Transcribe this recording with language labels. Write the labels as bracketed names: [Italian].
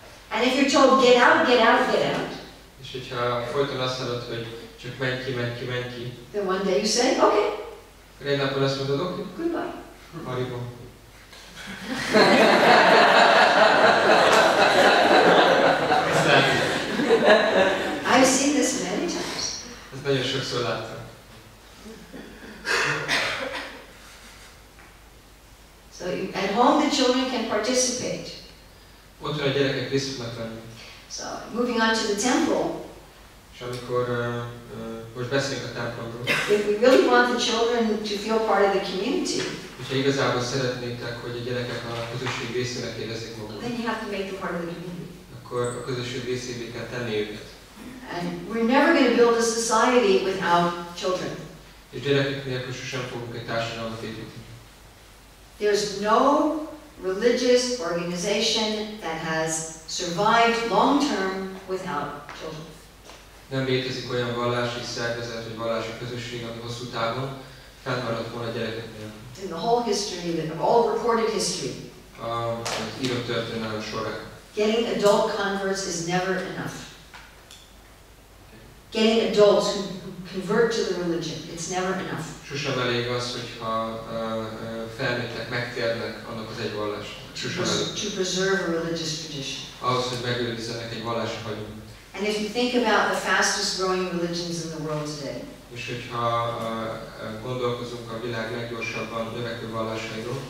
[English] And if you're told, get out, get out, get out. [Hungarian] És hogyha folyton azt mondod, hogy csak menj ki, menj ki, menj ki. [English] Then one day you say, okay. [Hungarian] Akkor egy napon azt mondod, okay. [English] Goodbye. Haribo. I've seen this many times. [Hungarian] Ezt nagyon sokszor láttam. [English] So at home the children can participate. [Hungarian] Otthon a gyerekek részt tudnak venni. [English] So moving on to the temple. [Hungarian] És amikor most beszélünk a templomról. [English] If we really want the children to feel part of the community. [Hungarian] És igazából szeretnétek, hogy a gyerekek a közösség részének érezzék magukat. [English] Then you have to make them part of the community. [Hungarian] Akkor a közösség részévé kell tenni őket. [English] And we're never going to build a society without children. [Hungarian] És gyerekek nélkül sosem fogunk egy társadalmat építeni. [English] There's no religious organization that has survived long-term without children. [Hungarian] Nem létezik olyan vallási szervezet, vagy vallási közösség, ami hosszú távon fennmaradt volna gyerekeknél. [English] In the whole history, of all recorded history, [Hungarian] az írott történelem során. [English] Getting adult converts is never enough. Getting adults who convert to the religion, it's never enough. [Hungarian] Sosem elég az, hogyha felnőttek megtérnek annak az egy vallásnak. [English] To preserve a religious tradition. [Hungarian] Ahhoz, hogy megőrizzenek egy vallási hagyományt. [English] And if you think about the fastest growing religions in the world today. [Hungarian] És hogyha gondolkozunk a világ leggyorsabban növekvő vallásairól.